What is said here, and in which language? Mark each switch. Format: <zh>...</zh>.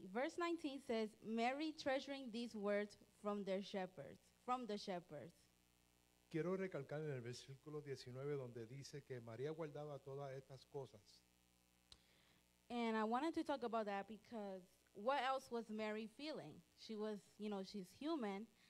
<en>Verse 19 says, Mary treasuring these words from the shepherds.</en> <es>Quiero recalcar en el versículo 19 donde dice que María guardaba todas estas cosas.</es> <en>And I wanted to talk about that because what else was Mary feeling? She was, you know, she's human.</en>